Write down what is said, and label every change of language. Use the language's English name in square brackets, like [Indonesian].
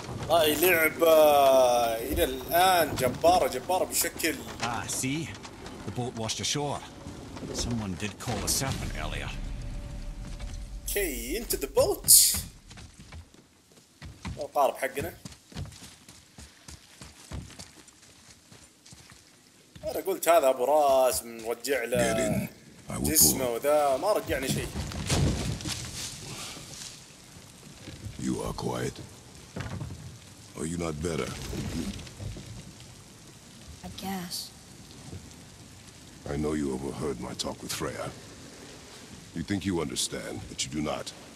[Arabic] هاي لعبة إلى الآن جبارة جبارة بشكل. [English] Ah, see, the boat washed ashore. Someone did call a serpent earlier. Okay, into the boat. [Arabic] القارب حقنا. أنا قلت هذا أبو راس مرجع له جسمه وذا ما رجعني شيء. [English] You are quiet. Are you not better? I guess. I know you overheard my talk with Freya. You think you understand, but you do not.